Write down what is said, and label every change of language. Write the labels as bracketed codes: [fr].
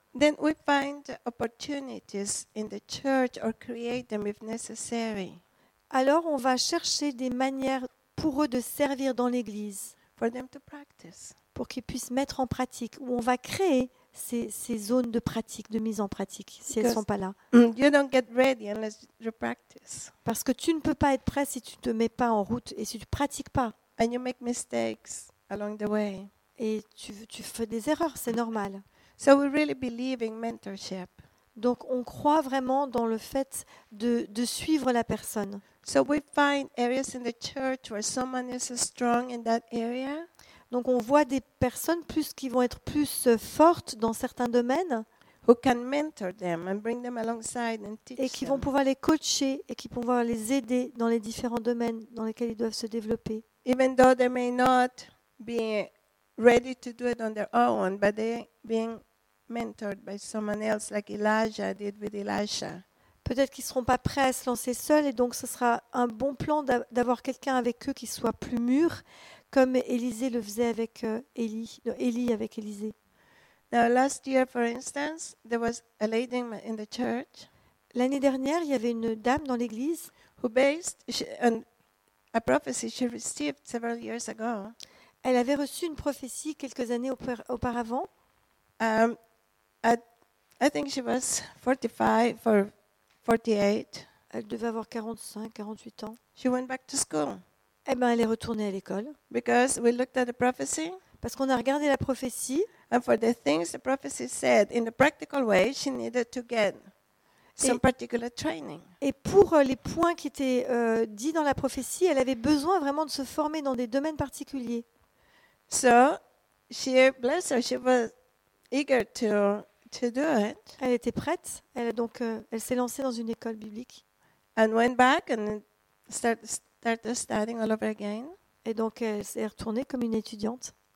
[en] then we find opportunities in the church or create them if necessary. [fr] Alors on va chercher des manières pour eux de servir dans l'Église. [en] For them to practice. [fr] Pour qu'ils puissent mettre en pratique, où on va créer ces zones de pratique, de mise en pratique, si [en] because [fr] elles ne sont pas là. [en] You don't get ready unless you practice. [fr] Parce que tu ne peux pas être prêt si tu ne te mets pas en route et si tu ne pratiques pas. [en] And you make mistakes along the way. [fr] Et tu fais des erreurs, c'est normal. [en] So we really believe in mentorship. [fr] Donc on croit vraiment dans le fait de suivre la personne. [en] So we find areas in the church where someone is strong in that area. [fr] Donc on voit des personnes plus qui vont être plus fortes dans certains domaines. [en] Who can mentor them and bring them alongside and teach [fr] et qui [en] them. [fr] Vont pouvoir les coacher et qui vont pouvoir les aider dans les différents domaines dans lesquels ils doivent se développer. [en] Even though they may not be ready to do it on their own, but they being mentored by someone else like Elijah did with Elisha. [fr] Peut-être qu'ils ne seront pas prêts à se lancer seuls et donc ce sera un bon plan d'avoir quelqu'un avec eux qui soit plus mûr, comme Élisée le faisait avec Élie, non, Élie avec Élisée. [en] Now, last year, for instance, there was a lady in the church. [fr] L'année dernière, il y avait une dame dans l'église. [en] Who based on a prophecy she received several years ago. [fr] Elle avait reçu une prophétie quelques années auparavant. [en] I think she was 48. [fr] Elle devait avoir 45, 48 ans. [en] She went back to school. [fr] Eh ben, elle est retournée à l'école. [en] Because we looked at the prophecy. [fr] Parce qu'on a regardé la prophétie. [en] And for the things the prophecy said, in a practical way, she needed to get some particular training. [fr] Et pour les points qui étaient dits dans la prophétie, elle avait besoin vraiment de se former dans des domaines particuliers. [en] So She, bless her, she was eager to do it. [fr] Elle était prête. Elle donc elle s'est lancée dans une école biblique. [en] And went back and started studying all over again. [fr] Et donc elle s'est retournée comme une étudiante.